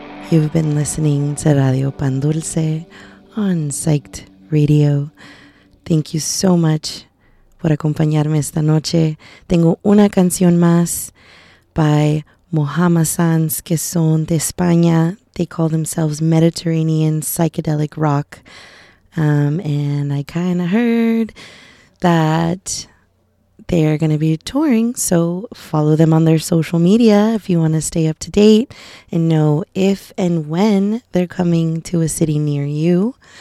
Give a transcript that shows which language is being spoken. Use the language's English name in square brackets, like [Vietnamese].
[English] You've been listening to Radio Pan Dulce on Psyched Radio. Thank you so much [Spanish] por acompañarme esta noche. Tengo una canción más by Mohamasans, que son de España. [English] They call themselves Mediterranean Psychedelic Rock. And I kind of heard that they're going to be touring, so follow them on their social media if you want to stay up to date and know if and when they're coming to a city near you.